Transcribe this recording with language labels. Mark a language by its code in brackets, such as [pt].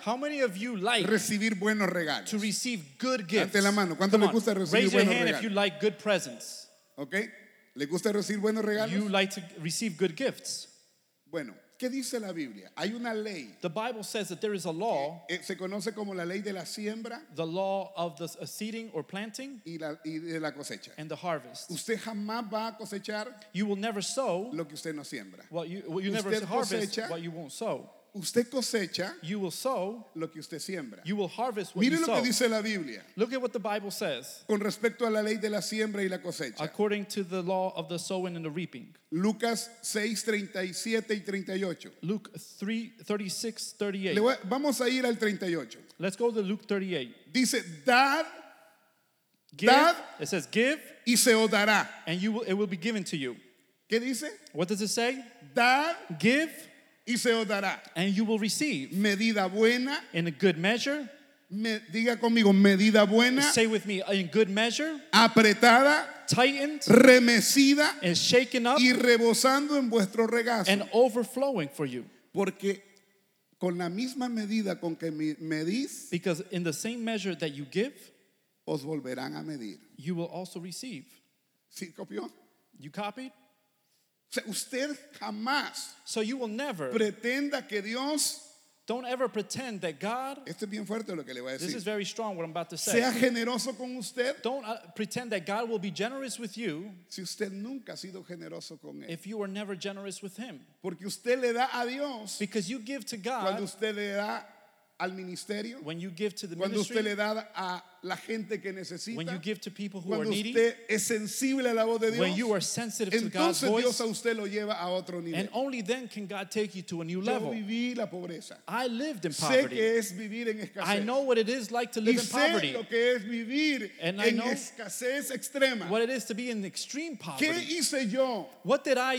[en] how many of you like [es] recibir buenos regalos? [en] To receive good gifts? [es] Levante la mano. ¿Cuántos les gusta recibir [en] raise [es] buenos [en] your hand [es] regalos? [en] If you like good presents. [es] Okay. ¿Les gusta recibir buenos regalos? [en] You like to receive good gifts. [es] Bueno, ¿qué dice la Biblia? Hay una ley. [en] The Bible says that there is a law. [es] Se conoce como la ley de la siembra. [en] The law of the seeding or planting. [es] Y de la cosecha. [en] And the harvest. [es] Usted jamás va a cosechar. [en] You will never sow. [es] Lo que usted no siembra. [en] You never harvest what you won't sow. [es] Usted cosecha [en] you will sow [es] lo que usted siembra. [en] You will harvest what [es] mire [en] you sow. [es] Que dice la Biblia. [en] Look at what the Bible says. [es] Con respecto a la ley de la siembra y la cosecha. [en] According to the law of the sowing and the reaping. [es] Lucas 6:37-38. [en] Luke 36:38. [es] Vamos a ir al 38. [en] Let's go to Luke 38. [es] Dice, dad, [en] give, [es] dad, [en] it says give, [es] y se os dará. [en] And you will, it will be given to you. [es] ¿Qué dice? [en] What does it say? [es] Dad, [en] give, [es] y se os dará. [en] And you will receive. [es] Medida buena. [en] In a good measure. [es] Diga conmigo, medida buena. [en] Say with me, in good measure. [es] Apretada. [en] Tightened. [es] Remecida. [en] And shaken up. [es] Y rebosando en vuestro regazo. [en] And overflowing for you. [es] Porque con la misma medida con que medís. [en] Because in the same measure that you give. [es] Os volverán a medir. [en] You will also receive. [es] ¿Sí copió? [en] You copied? [es] Usted jamás [en] so you will never [es] pretenda que Dios [en] don't ever pretend that God [es] esto es bien fuerte lo que le voy a decir [en] this is very strong what I'm about to say [es] sea generoso con usted [en] don't pretend that God will be generous with you [es] si usted nunca ha sido generoso con él [en] if you were never generous with him [es] porque usted le da a Dios [en] because you give to God [es] cuando usted le da al ministerio [en] when you give to the [es] cuando [en] ministry, [es] usted le da a la gente que necesita [en] when you give to people who [es] cuando [en] are needy, [es] usted es sensible a la voz de Dios [en] when you are sensitive to [es] entonces [en] God's [es] Dios a usted lo lleva a otro nivel [en] and only then can God take you to a new level [es] yo viví la pobreza [en] I lived in poverty [es] sé que es vivir en escasez [en] I know what it is like to live [es] y [en] in poverty [es] sé lo que es vivir [en] and I know [es] escasez extrema [en] what it is to be in extreme poverty [es] ¿qué hice yo [en] what did I